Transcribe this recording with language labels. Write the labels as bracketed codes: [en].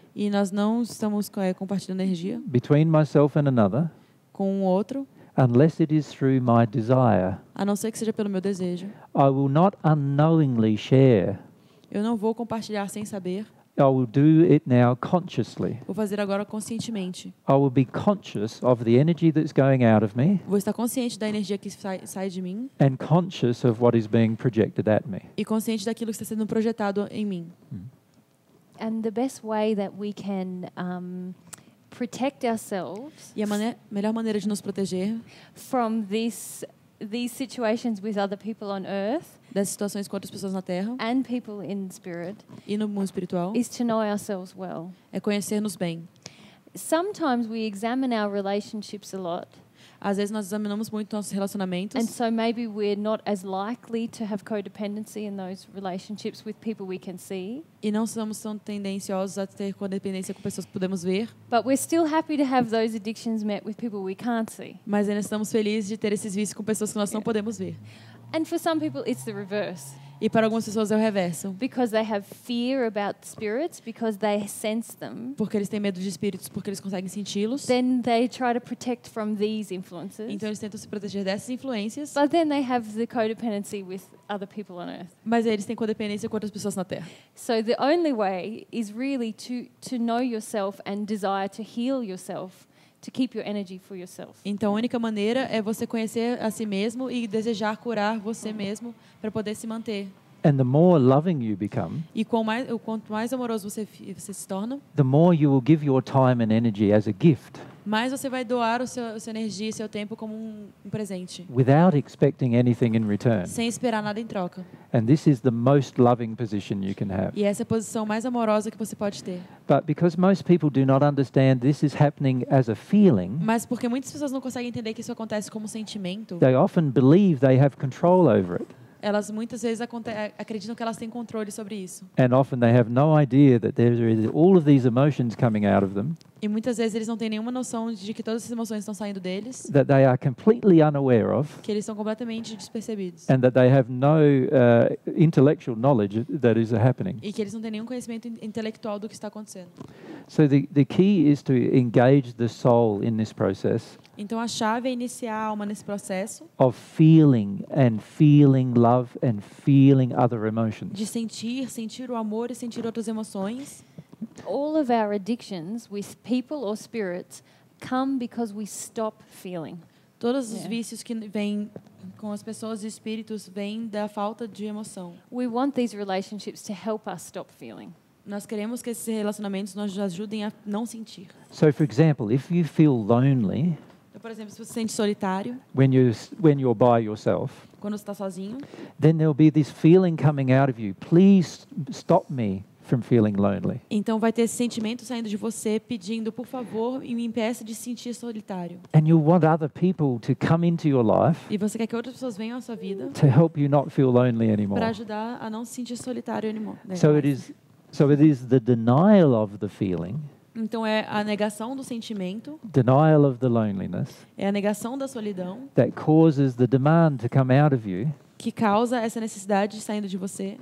[pt] E nós não estamos compartilhando energia [en] between myself and another, [pt] com um outro, [en] unless it is through my desire. [pt] A não ser que seja pelo meu desejo. [en] I will not unknowingly share. [pt] Eu não vou compartilhar sem saber. [en] I will do it now consciously. [pt] Vou fazer agora conscientemente. [en] I will be conscious of the energy that's going out of me. [pt] Vou estar consciente da energia que sai de mim. [en] And conscious of what is being projected at me. [pt] E consciente daquilo que está sendo projetado em mim. [en] And the best way that we can protect ourselves, [pt] e a melhor maneira de nos proteger [en] from these situations with other people on earth, [pt] das situações com outras pessoas na Terra, [en] and people in spirit, [pt] e no mundo espiritual, [en] is to know ourselves well, [pt] é conhecer-nos bem. [en] Sometimes we examine our relationships a lot. [pt] Às vezes nós examinamos muito nossos relacionamentos. [en] And so maybe we're not as likely to have codependency in those relationships with people we can see. [pt] E não somos tão tendenciosos a ter codependência com pessoas que podemos ver. [en] But we're still happy to have those addictions met with people we can't see. [pt] Mas ainda estamos felizes de ter esses vícios com pessoas que nós não podemos ver. [en] And for some people it's the reverse. [pt] E para algumas pessoas é o reverso. [en] Because they have fear about spirits because they sense them. [pt] Porque eles têm medo de espíritos porque eles conseguem senti-los. [en] Then they try to protect from these influences. [pt] Então eles tentam se proteger dessas influências. [en] But then they have the codependency with other people on earth. [pt] Mas eles têm codependência com outras pessoas na Terra. [en] So the only way is really to know yourself and desire to heal yourself. To keep your energy for yourself. [pt] Então, a única maneira é você conhecer a si mesmo e desejar curar você mesmo para poder se manter. [en] And the more loving you become, [pt] e quanto mais amoroso você se torna, [en] the more you will give your time and energy as a gift. [pt] Mais você vai doar sua energia e seu tempo como um presente. [en] Without expecting anything in return. [pt] Sem esperar nada em troca. [en] And this is the most loving position you can have. [pt] E essa é a posição mais amorosa que você pode ter. [en] But because most people do not understand this is happening as a feeling. [pt] Mas porque muitas pessoas não conseguem entender que isso acontece como sentimento. [en] They often believe they have control over it. [pt] Elas muitas vezes acreditam que elas têm controle sobre isso. [en] And often they have no idea that there is all of these emotions coming out of them. [pt] E muitas vezes eles não têm nenhuma noção de que todas essas emoções estão saindo deles. [en] That they are completely unaware of. [pt] Que eles são completamente despercebidos. [en] And that they have no intellectual knowledge that is happening. [pt] E que eles não têm nenhum conhecimento intelectual do que está acontecendo. [en] So the key is to engage the soul in this process. [pt] Então a chave é iniciar a alma nesse processo. [en] Of feeling and feeling love and feeling other emotions. [pt] De sentir o amor e sentir outras emoções. [en] All of our addictions with people or spirits come because we stop feeling. [pt] Todos os vícios que vêm com as pessoas e espíritos vem da falta de emoção. [en] We want these relationships to help us stop feeling. [pt] Nós queremos que esses relacionamentos nos ajudem a não sentir. [en] So, for example, if you feel lonely, [pt] por exemplo, se você se sente solitário, [en] when you're by yourself, [pt] quando você está sozinho, [en] then there'll be this feeling coming out of you. Please stop me from feeling lonely. [pt] Então vai ter esse sentimento saindo de você pedindo, por favor, e me impeça de sentir solitário. [en] And you want other people to come into your life. [pt] E você quer que outras pessoas venham à sua vida. [en] To help you not feel lonely anymore. [pt] Para ajudar a não se sentir solitário [en] anymore. So it is the denial of the feeling. [pt] Então é a negação do sentimento. [en] Denial of the loneliness. [pt] É a negação da solidão. [en] That causes the demand to come out of you. [pt] Que causa essa necessidade saindo de você.